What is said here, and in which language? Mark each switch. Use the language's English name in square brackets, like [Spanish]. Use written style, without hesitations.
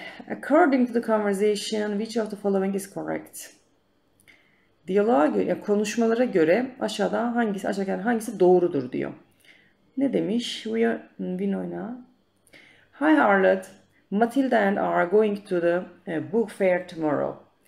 [English] According to the conversation, which of the following is correct? [Turkish] Diyaloğa göre, yani konuşmalara göre aşağıda hangisi hangisi doğrudur diyor. Ne demiş? Winona. [English] Hi Harlot, Matilda and I are going to the book fair tomorrow.